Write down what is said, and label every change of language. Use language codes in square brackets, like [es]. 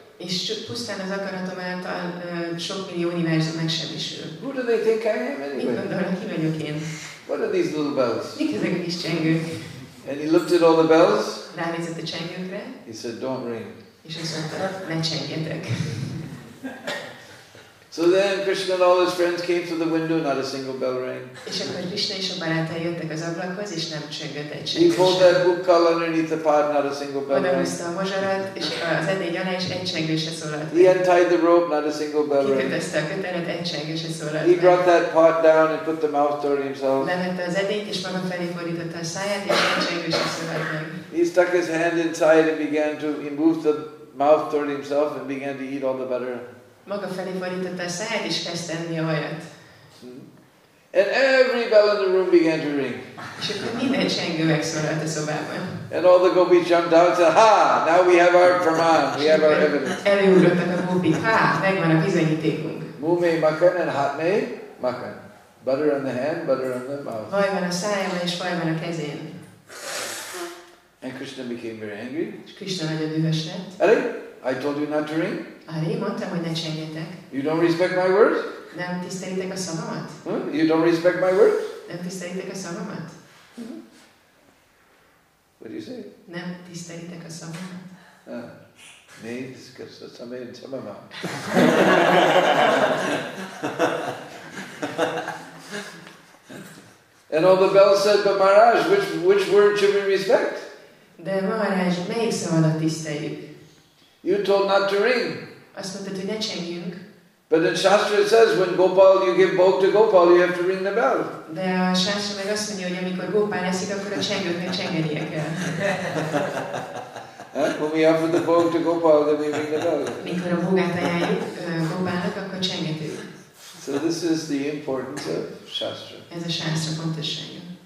[hu] És pusztán az akaratom által sok millió univerzum megsemmisül. [en] Who do they think I am anyway? [hu] Mit gondolnak, ki vagyok én? [en] What are these little bells? [hu] Mik ezek a kis csengők? [en] And he looked at all the bells. [hu] Ránézett a csengőkre. [en] He said, "Don't ring." [hu] És azt mondta, ne csengjetek. [en] So then Krishna and all his friends came to the window, not a single bell rang. [hu] És akkor Krishna és a barátai jöttek az ablakhoz, és nem csöngött egy csengő. [en] He pulled that hookah underneath the pot, not a single bell rang. [hu] Odahúzta a mozsarat, és az edény alá, és egy csengő se szólalt. [en] He untied the rope, not a single bell rang. [hu] Kikötözte a kötelet, egy csengő se szólalt. [en] He brought that pot down and put the mouth toward himself. [hu] Levette az edényt, és maga felé fordította a száját, és egy csengő se szólalt meg. [en] He stuck his hand inside and began to, he moved the mouth toward himself and began to eat all the butter. [hu] Maga felé fordította a száját, és kezdte enni a vajat. [en] And every bell in the room began to ring. [hu] És akkor minden csengő megszólalt a szobában. [en] And all the gopis jumped out and said, ha, now we have our praman, we have our evidence. [hu] Előugrottak a gopik, ha, megvan a bizonyítékunk. [hi] Mume makan and hatme makan. [en] Butter on the hand, butter on the mouth. [hu] Vaj van a szájában, és vaj van a kezén. [en] And Krishna became very angry. [hu] És Krishna nagyon dühös lett. [en] Are I told you not to ring. [hu] Aré, mondtam, hogy ne csengjetek. [en] You don't respect my word? [hu] Nem tisztelitek a szavamat? [en] Huh? You don't respect my word? [hu] Nem tisztelitek a szavamat? [en] What do you say? [hu] Nem tisztelitek a szavamat? Nézz, köszön személyen szavamat. [en] And all the bells said, but Maharaj, which word should we respect? [hu] De Maharaj, melyik szavadat tiszteljük? [en] You told not to ring. [hu] Azt mondtad, hogy ne csengjünk. [en] But in Shastra it says, when Gopal, you give bhog to Gopal, you have to ring the bell. [hu] De a Shastra meg azt mondja, hogy amikor Gopal eszik, akkor a csengőt meg csengenie kell. [en] When we offer the bhog to Gopal, then we ring the bell. [hu] Mikor a bhogát ajánljuk Gopalnak, akkor csengetünk. [en] So this is the importance of Shastra. [hu] Ez a Shastra fontossága.